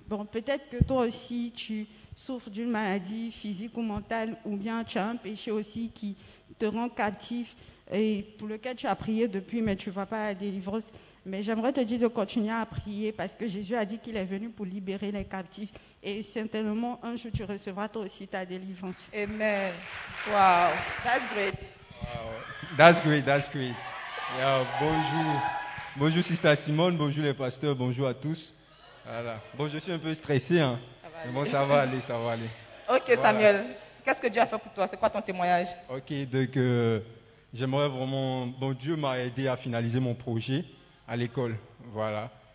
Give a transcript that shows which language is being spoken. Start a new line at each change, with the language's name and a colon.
French: Peut-être que toi aussi tu souffres d'une maladie physique ou mentale, ou bien tu as un péché aussi qui te rend captif et pour lequel tu as prié depuis mais tu ne vois pas la délivrance. Mais j'aimerais te dire de continuer à prier parce que Jésus a dit qu'il est venu pour libérer les captifs et certainement un jour tu recevras toi aussi ta délivrance.
English: Amen. Wow, that's great. Wow, that's great, that's great.
French: Yeah, bonjour. Bonjour Sister Simone, bonjour les pasteurs, bonjour à tous. Voilà. Bon, je suis un peu stressé, hein. Mais bon, ça va aller, ça va aller. Ok, voilà. Samuel, qu'est-ce que Dieu a fait pour toi? C'est quoi ton témoignage? Ok, donc j'aimerais vraiment... Bon, Dieu m'a aidé à finaliser mon projet à l'école, voilà.